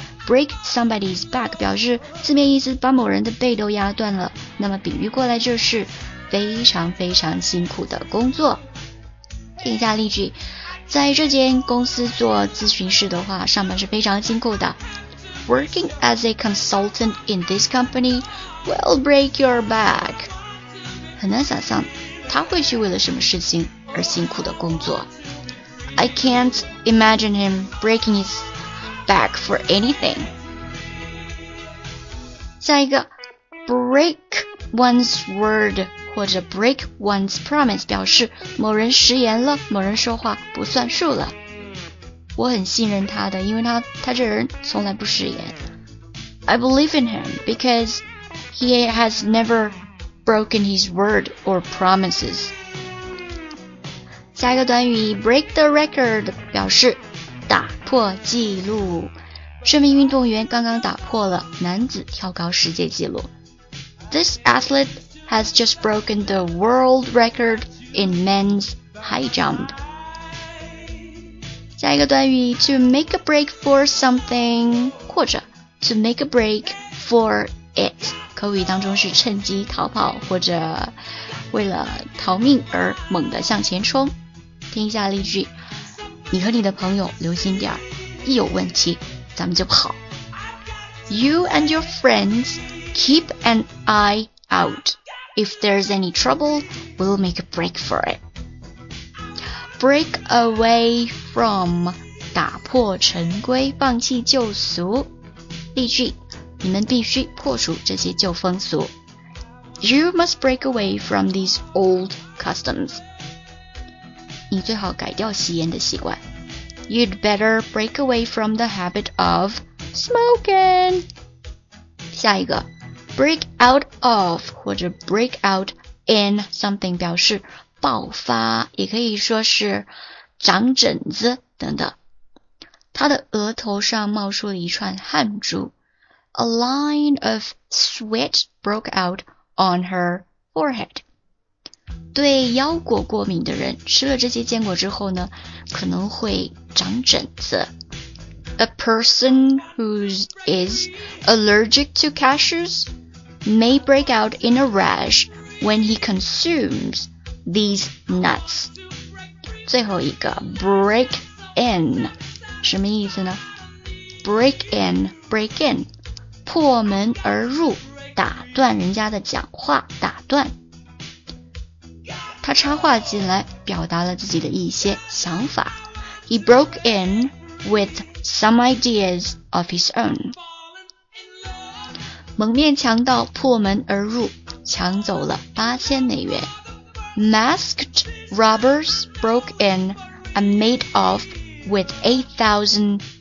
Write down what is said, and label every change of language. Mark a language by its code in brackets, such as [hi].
[zh] break somebody's back 表示字面意思把某人的背都压断了，那么比喻过来就是非常非常辛苦的工作。听一下例句，在这间公司做咨询师的话，上班是非常辛苦的。 [en] Working as a consultant in this company will break your back. [zh] 很难想象他会去为了什么事情而辛苦的工作。 [en] I can't imagine him breaking his back for anything. [zh] 下一个 ,break one's word. 或者 break one's promise 表示某人食言了，某人说话不算数了。我很信任他的，因为他这人从来不食言。 [en] I believe in him because he has never broken his word or promises. [zh] 下一个短语 break the record 表示打破记录。这名运动员刚刚打破了男子跳高世界纪录。 [en] This athlete. Has just broken the world record in men's high jump. [zh] 下一个短语 to make a break for something 或者 to make a break for it. 口语当中是趁机逃跑或者为了逃命而猛地向前冲。听一下例句，你和你的朋友留心点，一有问题咱们就跑。 [en] You and your friends keep an eye out. If there's any trouble, we'll make a break for it. Break away from [zh] 打破陈规，放弃旧俗。例句，你们必须破除这些旧风俗。 [en] You must break away from these old customs. [zh] 你最好改掉吸烟的习惯。 [en] You'd better break away from the habit of smoking. [zh] 下一个。Break out of 或者 break out in something 表示爆发，也可以说是长疹子等等。他的额头上冒出了一串汗珠。 [en] A line of sweat broke out on her forehead. [zh] 对腰果过敏的人，吃了这些坚果之后呢，可能会长疹子。 [en] A person who is allergic to cashews? May break out in a rash when he consumes these nuts. [zh] 最后一个 break in 什么意思呢？ [en] Break in, break in, [zh] 破门而入，打断人家的讲话，打断。他插话进来，表达了自己的一些想法。 [en] He broke in with some ideas of his own. [zh] 蒙面强盗破门而入，抢走了$8,000。 [en] Masked robbers broke in and made off with $8,000.